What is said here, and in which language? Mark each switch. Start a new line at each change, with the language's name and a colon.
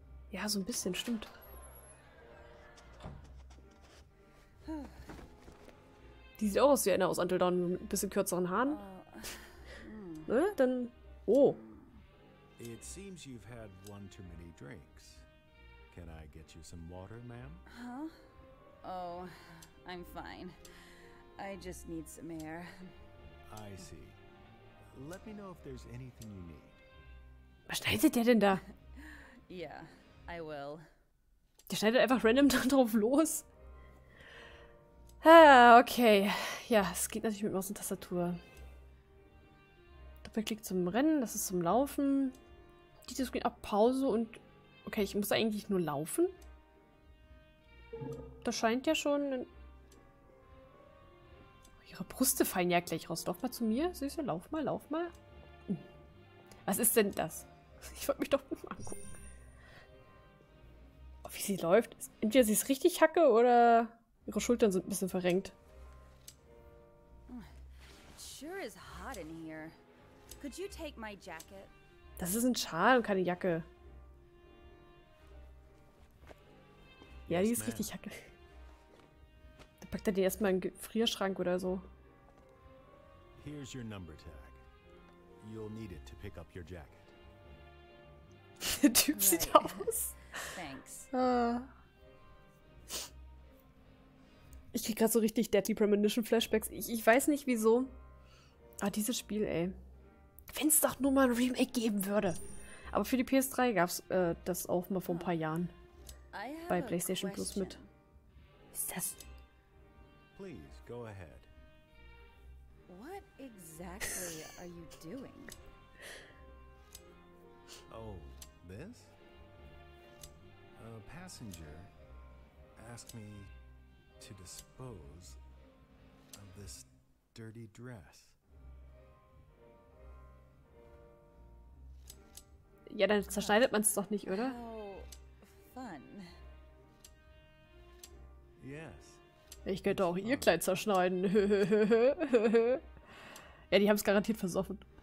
German: Ja, so ein bisschen, stimmt. Die sieht auch aus wie eine aus Until Dawn, mit ein bisschen kürzeren Haaren. Ne? Dann. Oh.
English: It seems you've had one too many drinks. Can I get you some water, ma'am? Huh? Oh, I'm fine. I just need some air. I see. Let me know if there's anything you need.
German: Was schneidet der denn da?
English: Yeah, I will.
German: Der schneidet einfach random drauf los. Ah, okay. Ja, es geht natürlich mit Maus und Tastatur. Doppelklick zum Rennen, das ist zum Laufen. Display ab, Pause und. Okay, ich muss eigentlich nur laufen. Das scheint ja schon. Ihre Brüste fallen ja gleich raus. Lauf mal zu mir, Süße. Lauf mal, lauf mal. Was ist denn das? Ich wollte mich doch mal angucken. Oh, wie sie läuft. Entweder sie ist richtig hacke oder. Ihre Schultern sind ein bisschen verrenkt.
English: Sure is hot in here. Could you take my jacket?
German: Das ist ein Schal und keine Jacke. Ja, die ist richtig hacke. Da packt er die erstmal in den Gefrierschrank oder so.
English: Here's your number tag. You'll need it to pick up your jacket.
German: Der Typ sieht aus.
English: Thanks.
German: Ich krieg gerade so richtig Deadly Premonition Flashbacks. Ich weiß nicht wieso. Ah, dieses Spiel, ey. Wenn es doch nur mal ein Remake geben würde. Aber für die PS3 gab es das auch mal vor ein paar Jahren. Bei PlayStation Plus mit. Ist das.
English: Please, go ahead. What exactly are you doing? Oh, this? A passenger asked me. To dispose of this dirty dress.
German: Ja, dann zerschneidet man es doch nicht, oder?
English: Fun. Yes.
German: Ich könnte auch ihr Kleid zerschneiden. Ja, die haben es garantiert versoffen.